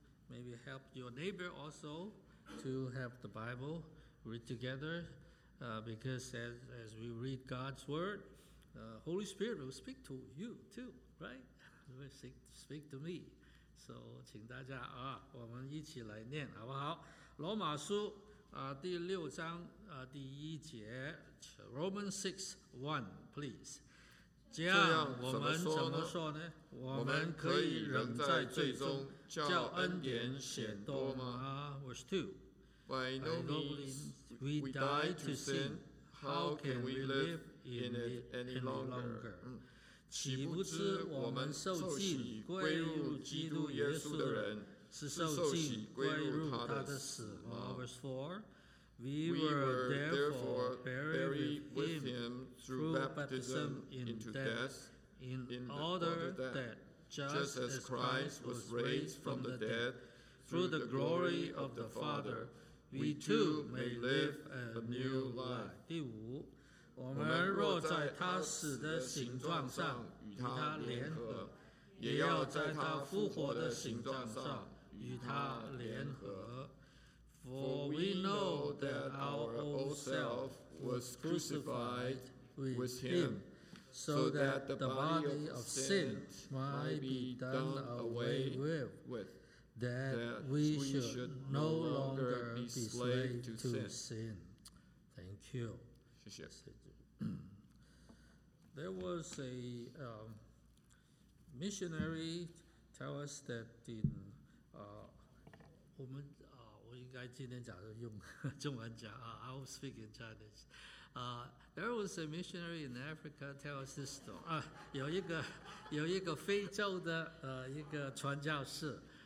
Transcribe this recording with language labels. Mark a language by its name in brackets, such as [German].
[English] Maybe help your neighbor also to have the Bible read together. Because as we read God's word, Holy Spirit will speak to you too, right? Will speak to me. [Chinese] So, 请大家啊，我们一起来念好不好？罗马书啊，第六章啊，第一节 ， [English] Romans 6:1, please. [Chinese] 这样我们怎么说呢？我们可以仍在罪中，叫恩典显多吗 ？ [English] Verse two. By no means we die to sin, how can we live in it any longer? [Chinese] 岂不知我们受尽归入基督耶稣的人是受尽归入他的死吗 [English] ？Verse four, we were therefore buried with him through baptism into death, in order that just as Christ was raised from the dead through the glory of the Father,We too may live a new life. [Chinese] 第五，我们若在他死的形状上与他联合，也要在他复活的形状上与他联合。 [English] For we know that our old self was crucified with him, so that the body of sin might be done away with. That we should no longer be slave to sin. Thank you. [Chinese] 谢谢。 [English] There was a missionary tell us that in [Chinese] 我们啊，我应该今天早上用中文讲啊 [English] ，I will speak in Chinese. There was a missionary in Africa tell us this story. [Chinese] 啊，有一个非洲的一个传教士。